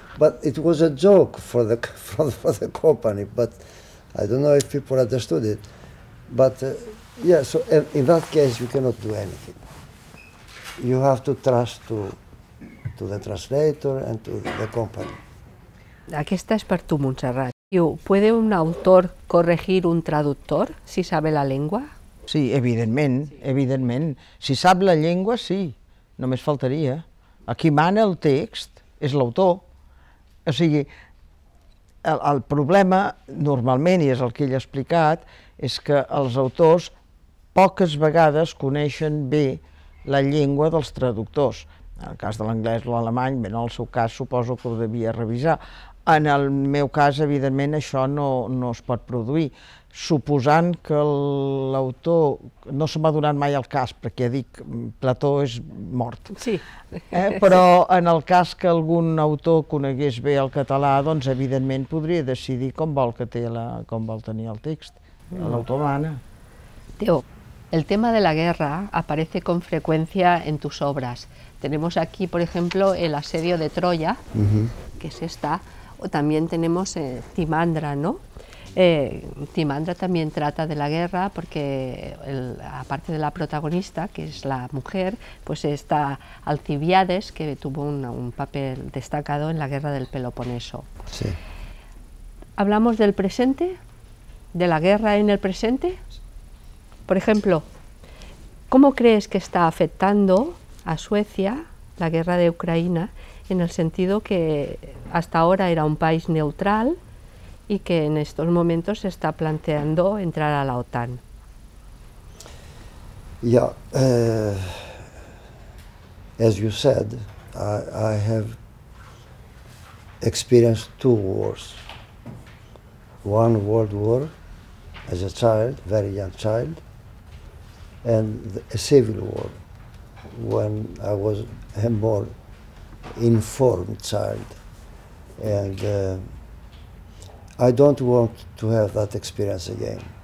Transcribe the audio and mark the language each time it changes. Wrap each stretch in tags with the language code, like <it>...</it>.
<en>But it was a joke for the company. But I don't know if people understood it. But so in that case, you cannot do anything. You have to trust to the translator and to the company.</en> <ca>Aquesta és per tu, Montserrat.</ca> <es>Diu, ¿puede un autor corregir un traductor si sabe la lengua?</es> <ca>Sí, evidentment, evidentment. Si sap la llengua, sí, només faltaria. A qui mana el text és l'autor. O sigui, el problema, normalment, i és el que ell ha explicat, és que els autors poques vegades coneixen bé la llengua dels traductors. En el cas de l'anglès o l'alemany, en el seu cas suposo que ho devia revisar. En el meu cas, evidentment, això no es pot produir. Suposant que l'autor... No se m'ha donat mai el cas, perquè ja dic, Plató és mort. Sí. Però en el cas que algun autor conegués bé el català, doncs evidentment podria decidir com vol que té com vol tenir el text. L'autor mana.</ca> <es>Teo, el tema de la guerra aparece con frecuencia en tus obras. Tenemos aquí, por ejemplo, El asedio de Troya, que es esta... O también tenemos Timandra, ¿no? Timandra también trata de la guerra porque, aparte de la protagonista, que es la mujer, pues está Alcibiades, que tuvo un papel destacado en la guerra del Peloponeso. Sí. ¿Hablamos del presente? ¿De la guerra en el presente? Por ejemplo, ¿cómo crees que está afectando a Suecia la guerra de Ucrania? En el sentido que hasta ahora era un país neutral y que en estos momentos se está planteando entrar a la OTAN.</es> <en>Yeah, as you said, I have experienced two wars. One world war as a child, very young child, and a civil war when I was a more informed child, and I don't want to have that experience again.</en>